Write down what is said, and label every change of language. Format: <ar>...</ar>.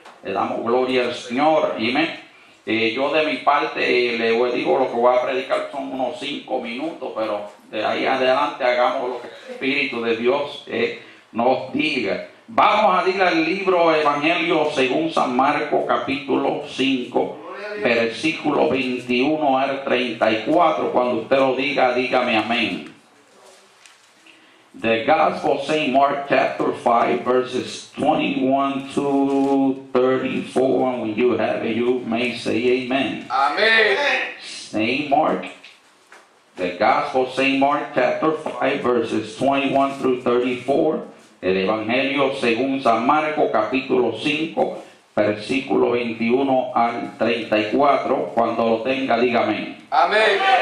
<es>Le damos gloria al Señor, amén. Yo de mi parte le digo lo que voy a predicar son unos 5 minutos, pero de ahí adelante hagamos lo que el Espíritu de Dios nos diga. Vamos a ir al libro Evangelio según San Marcos capítulo 5, versículo 21 al 34. Cuando usted lo diga, dígame amén.</es> <en>The Gospel St. Mark chapter 5 verses 21 to 34, and when you have it, you may say amen. Amen. St. Mark, the Gospel St. Mark chapter 5 verses 21 through 34,</en> <es>el Evangelio según San Marco capítulo 5, versículo 21 al 34, cuando lo tenga, diga amén. Amen.</es>